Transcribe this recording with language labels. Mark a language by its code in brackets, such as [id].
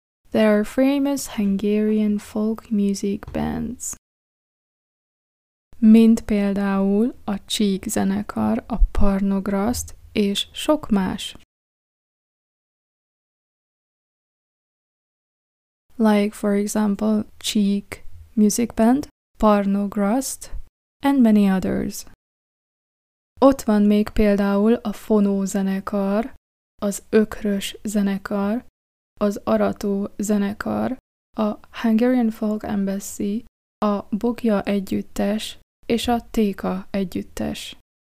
[en] There are famous Hungarian folk music bands. [hu] Mint például a Csík zenekar, a Parnograszt és sok más. [en] Like, for example, Cheek Music Band, Parnograst, and many others. [hu] Ott van még például a Fonó zenekar, az Ökrös zenekar, az Arató zenekar, a Hungarian Folk Embassy, a Bogja együttes és a Téka együttes.